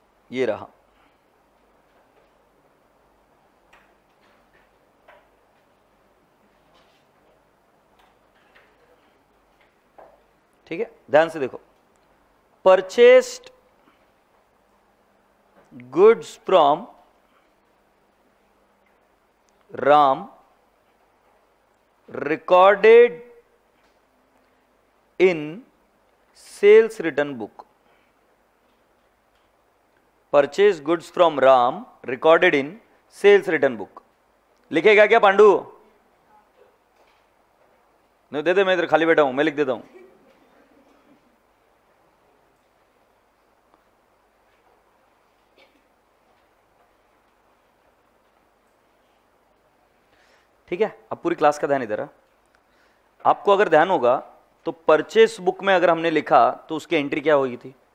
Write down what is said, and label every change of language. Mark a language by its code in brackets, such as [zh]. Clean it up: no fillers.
[hi] ये रहा, ठीक है, ध्यान से देखो। [en] Purchased goods from Ram recorded in sales return book. Purchased goods from Ram recorded in sales return book. [hi] लिखेगा क्या पांडू? नहीं दे दे, मैं इधर खाली बैठा हूं, मैं लिख देता हूं। ठीक है, अब पूरी क्लास का ध्यान इधर है। आपको अगर ध्यान होगा तो परचेस बुक में अगर हमने लिखा तो उसकी एंट्री क्या होगी थी?